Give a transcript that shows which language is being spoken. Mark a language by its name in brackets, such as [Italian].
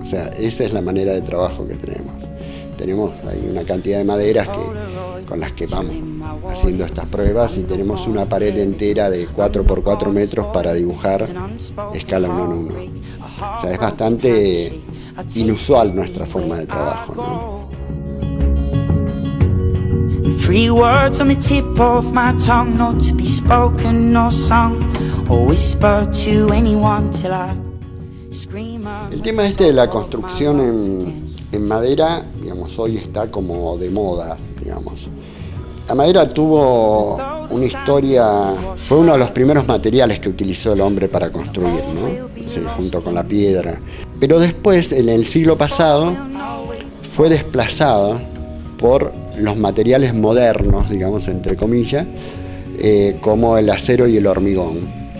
[Spanish] O sea, esa es la manera de trabajo que tenemos. Tenemos ahí una cantidad de maderas que, con las que vamos haciendo estas pruebas y tenemos una pared entera de 4x4 metros para dibujar escala 1 en 1. O sea, es bastante inusual nuestra forma de trabajo, ¿no? [English] Three words on the tip of my tongue, not to be spoken or sung, or whisper to anyone till I scream. [Spanish] El tema este de la construcción en madera, digamos, hoy está como de moda, digamos. La madera tuvo una historia, fue uno de los primeros materiales que utilizó el hombre para construir, ¿no? Sí, junto con la piedra. Pero después, en el siglo pasado, fue desplazado por los materiales modernos, digamos, entre comillas, como el acero y el hormigón.